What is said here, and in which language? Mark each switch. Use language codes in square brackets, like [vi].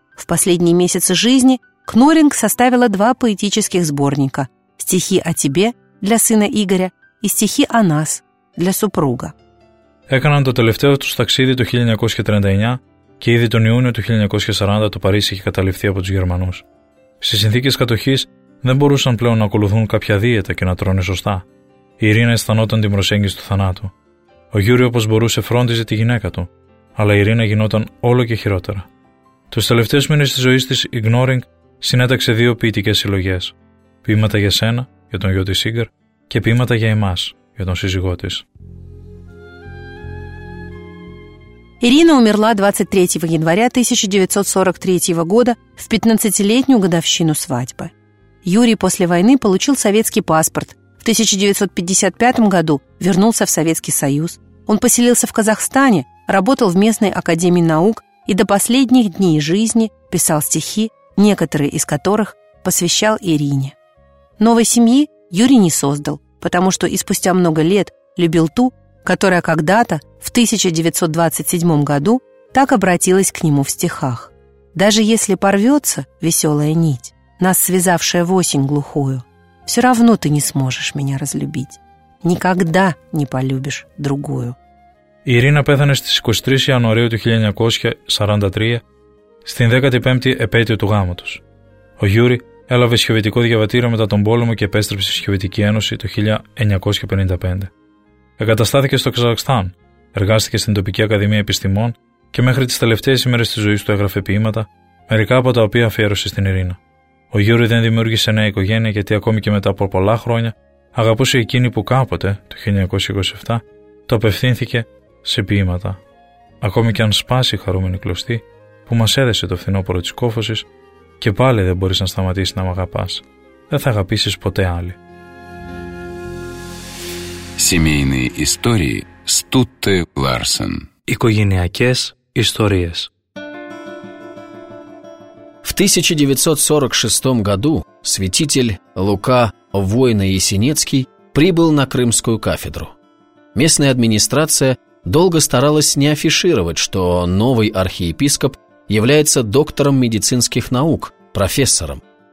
[ru] В последние месяцы жизни Кноринг составила два поэтических сборника: «Стихи о тебе» для сына Игоря и «Стихи о нас» для супруга. [el] Έκαναν το τελευταίο τους ταξίδι το 1939 και ήδη τον Ιούνιο του 1940 το Παρίσι είχε καταληφθεί από τους Γερμανούς. Στις συνθήκες κατοχής δεν μπορούσαν πλέον να ακολουθούν κάποια δίαιτα και να τρώνε σωστά. Η Ειρήνα αισθανόταν την προσέγγιση του θανάτου. Ο Γιούρι όπως μπορούσε φρόντιζε τη γυναίκα του, αλλά η Ειρήνα γινόταν όλο και χειρότερα. Τους τελευταίους μήνες της ζωής της, η Κνόρινγκ συνέταξε δύο ποιητικές συλλογές: «Ποίηματα για σένα», για τον γιο της Σίγκαρ, και «Ποίηματα για εμάς», για τον σύζυγό της. [ru] Ирина умерла 23 января 1943 года в 15-летнюю годовщину свадьбы. Юрий после войны получил советский паспорт. В 1955 году вернулся в Советский Союз. Он поселился в Казахстане, работал в местной академии наук и до последних дней жизни писал стихи, некоторые из которых посвящал Ирине. Новой семьи Юрий не создал, потому что и спустя много лет любил ту, которая когда-то, в 1927 году, так обратилась к нему в стихах. «Даже если порвется веселая нить, нас связавшая в осень глухую, все равно ты не сможешь меня разлюбить. Никогда не полюбишь другую». [el] Ирина пέθανε στις 23 Ιανουαρίου του 1943, στην 15η επέτειο του γάμου τους. Ο Γιούρι έλαβε σιωπητικό διαβατήριο μετά τον πόλεμο και επέστρεψε στη Σοβιετική Ένωση το 1955. Εγκαταστάθηκε στο Καζακστάν, εργάστηκε στην τοπική Ακαδημία Επιστημών και μέχρι τις τελευταίες ημέρες της ζωής του έγραφε ποίηματα, μερικά από τα οποία αφιέρωσε στην Ειρήνα. Ο Γιούρι δεν δημιούργησε νέα οικογένεια γιατί ακόμη και μετά από πολλά χρόνια αγαπούσε εκείνη που κάποτε, το 1927, το απευθύνθηκε σε ποίηματα. Ακόμη και αν σπάσει η χαρούμενη κλωστή που μας έδεσε το φθινόπωρο της κόφωσης και πάλι δεν μπορείς να σταματήσεις να μ' αγαπάς. Δεν θα αγαπήσεις ποτέ άλλη. [ru] Семейные истории Стутте Ларсен. [el] Οικογενειακές ιστορίες. [ru] В 1946 году святитель Лука Войно-Ясенецкий прибыл на Крымскую кафедру. Местная администрация долго старалась не афишировать, что новый архиепископ является доктором медицинских наук, профессором.